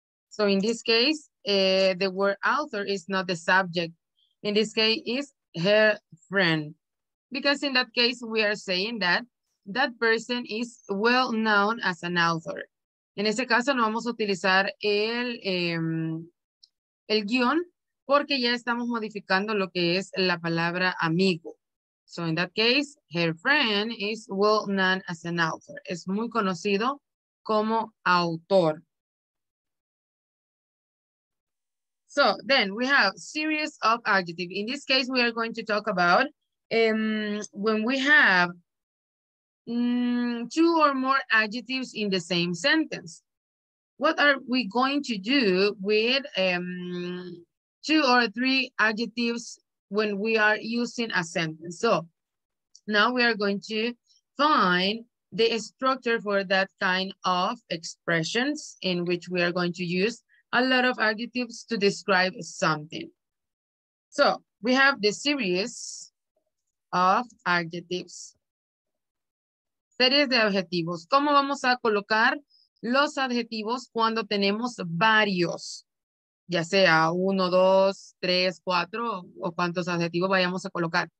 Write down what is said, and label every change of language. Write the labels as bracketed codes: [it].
[en] So in this case, the word author is not the subject. In this case, it's her friend. Because in that case, we are saying that that person is well known as an author. [es] En este caso, no vamos a utilizar el guión porque ya estamos modificando lo que es la palabra amigo. [en] So in that case, her friend is well known as an author. [es] Es muy conocido como autor. [en] So then we have series of adjectives. In this case, we are going to talk about when we have two or more adjectives in the same sentence. What are we going to do with two or three adjectives when we are using a sentence? So now we are going to find the structure for that kind of expressions in which we are going to use a lot of adjectives to describe something. So we have the series of adjectives. [es] Series de adjetivos. ¿Cómo vamos a colocar los adjetivos cuando tenemos varios? Ya sea uno, dos, tres, cuatro, o cuántos adjetivos vayamos a colocar.